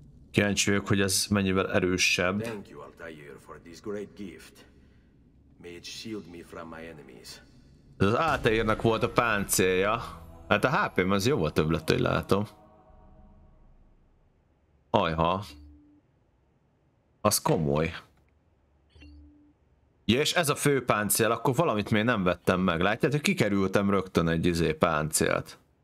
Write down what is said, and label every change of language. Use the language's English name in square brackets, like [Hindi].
[Hungarian] Kíváncsi vagyok, hogy ez mennyivel erősebb. [English] Thank you, Altair, for this great gift. May it shield me from my enemies. [Hungarian] Ez az Altairnak volt a páncélja. Hát a HP-m az jóval több lett, hogy látom. Ajha. Az komoly. Ja, és ez a fő páncél, akkor valamit még nem vettem meg. Látjátok, hogy kikerültem rögtön egy izé páncélt.